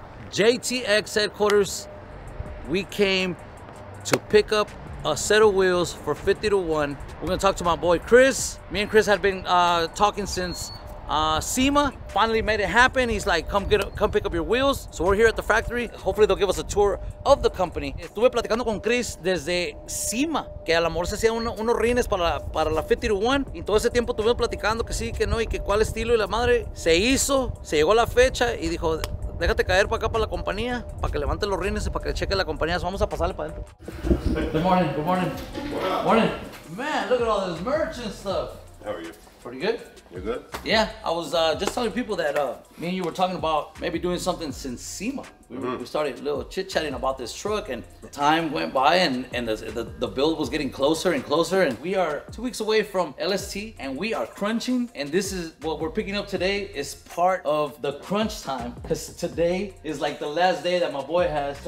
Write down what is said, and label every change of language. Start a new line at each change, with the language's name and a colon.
English: JTX headquarters. We came to pick up a set of wheels for 50 to 1. We're gonna talk to my boy Chris. Me and Chris had been talking since SEMA. Finally made it happen. He's like, come pick up your wheels. So we're here at the factory. Hopefully they'll give us a tour of the company.
Spanish: Estuve platicando con Chris desde SEMA, que a lo mejor se hacían unos rines para la 50 to 1. Y todo ese tiempo estuvimos platicando que sí, que no, y que cuál estilo, y la madre. Se hizo, se llegó la fecha y dijo, déjate caer para acá para la compañía, para que levante los rines y para que cheque la compañía. So vamos a pasarle para adentro.
English: Good morning, good morning. Morning. Man, look at all this merch and stuff. How are you? Pretty good. You're good? Yeah, I was just telling people that me and you were talking about maybe doing something since SEMA. We started a little chit-chatting about this truck, and the time went by, and the build was getting closer and closer, and we are 2 weeks away from LST, and we are crunching, and this is what we're picking up today is part of the crunch time, because today is like the last day that my boy has